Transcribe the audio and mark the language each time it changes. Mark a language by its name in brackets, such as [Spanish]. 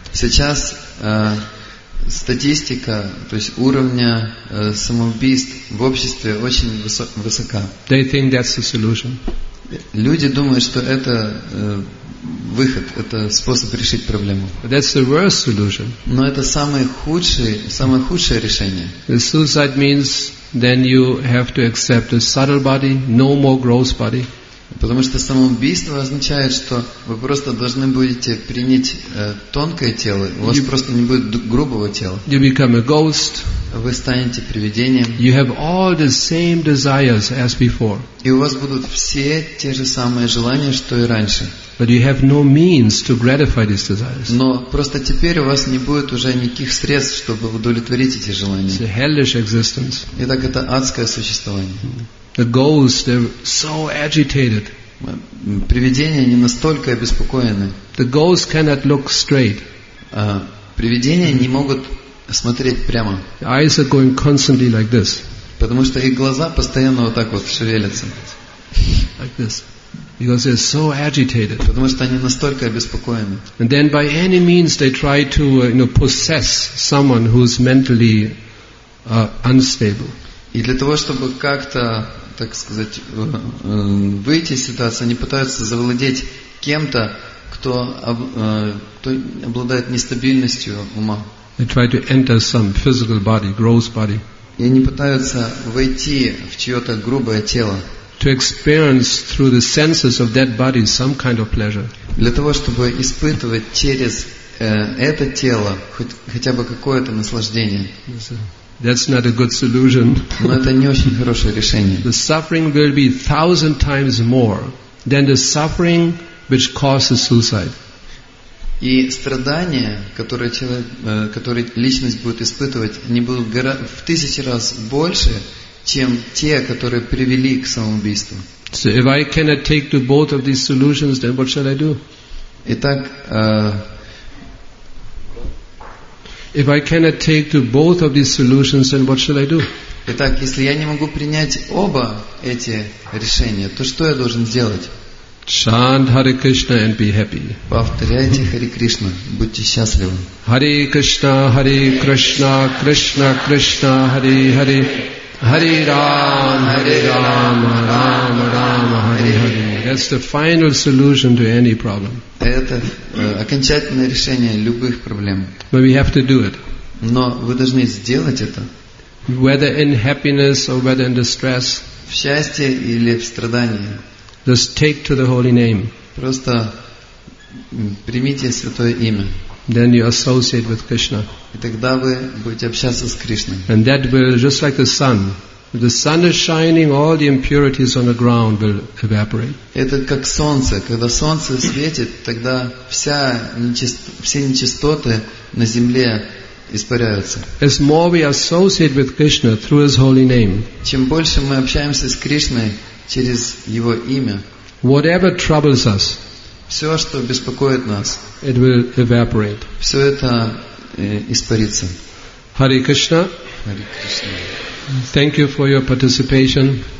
[Russian] Сейчас статистика, то есть уровня самоубийств в обществе очень высока. [English] They think that's the solution. [Russian] Люди думают, что это выход, это способ решить проблему. [English] But that's the worst solution. [Russian] Но это самое худшее решение. [English] The suicide means then you have to accept a subtle body, no more gross body. [Russian] Потому что самоубийство означает, что вы просто должны будете принять тонкое тело, у вас просто не будет грубого тела. [English] You become a ghost. [Russian] Вы станете привидением. [English] You have all the same desires as before. [Russian] И у вас будут все те же самые желания, что и раньше. [English] But you have no means to gratify these desires. [Russian] Но просто теперь у вас не будет уже никаких средств, чтобы удовлетворить эти желания. [English] It's a hellish existence. [Russian] Итак, это адское существование. [English] The ghosts, they're so agitated. [Russian] Привидения не настолько обеспокоены. [English] The ghosts cannot look straight. [Russian] Привидения не могут смотреть прямо. [English] The eyes are going constantly like this. [Russian] Потому что их глаза постоянно вот так вот шевелятся. [English] Like this. Because they're so agitated. [Russian] Потому что они настолько обеспокоены. [English] And then by any means they try to possess someone who's mentally unstable. [Russian] И для того, чтобы как-то, так сказать, выйти из ситуации, они пытаются завладеть кем-то, кто обладает нестабильностью ума. [English] They try to enter some physical body, gross body. [Russian] И они пытаются войти в чье-то грубое тело. [English] To experience through the senses of that body some kind of pleasure. [Russian] Для того, чтобы испытывать через это тело хотя бы какое-то наслаждение. [English] That's not a good solution. [Russian] Но это не очень хорошее решение. [English] The suffering will be 1,000 times more than the suffering which causes suicide. [Russian] И страдания, которые которые личность будет испытывать, они будут в 1,000 раз больше, чем те, которые привели к самоубийству. [English] So if I cannot take to both of these solutions, then what shall I do? [Russian] Итак, [English] if I cannot take to both of these solutions, then what shall I do? [Russian] Итак, если я не могу принять оба эти решения, то что я должен сделать? [English] Chant Hare Krishna and be happy. [Russian] Повторяйте Hare Krishna, будьте счастливы. [Sanskrit] Hare Krishna, Hare Krishna, Krishna Krishna, Hare Hare. Hare Ram, Hare Ram, Ram Ram, Hare Hare. [English] That's the final solution to any problem. [Russian] Это окончательное решение любых проблем. [English] But we have to do it. [Russian] Но вы должны сделать это. [English] Whether in happiness or whether in distress. [Russian] В счастье или в страдании. [English] Just take to the holy name. [Russian] Просто примите святое имя. [English] Then you associate with Krishna. [Russian] И тогда вы будете общаться с Кришной. [English] And that will, just like the sun. If the sun is shining, all the impurities on the ground will evaporate. [Russian] Это как солнце. Когда солнце светит, тогда все нечистоты на земле испаряются. [English] As more we associate with Krishna through His holy name. [Russian] Чем больше мы общаемся с Кришной через Его имя. [English] Whatever troubles us. [Russian] Все, что беспокоит нас. [English] It will evaporate. [Russian] Все это испарится. [English] Hare Krishna. [Russian] Hare Krishna. [English] Thank you for your participation.